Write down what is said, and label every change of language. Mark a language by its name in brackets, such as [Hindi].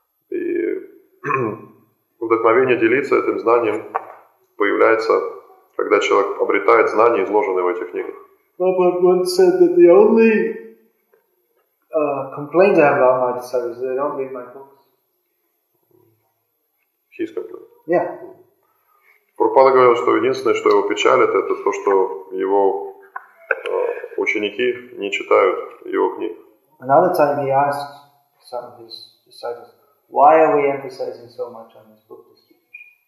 [Russian] И вдохновение делиться этим знанием появляется, когда человек обретает знания, изложенные в этих книгах. [English] Prabhupada once said that the only complaint I have about my disciples is that they don't read my books. He's complaining. Yeah. [Russian] Prabhupada говорил, что единственное, что его печалит, это то, что его ученики не читают его книг. [English] Another time he asked some of his disciples, "Why are we emphasizing so much on this book distribution?"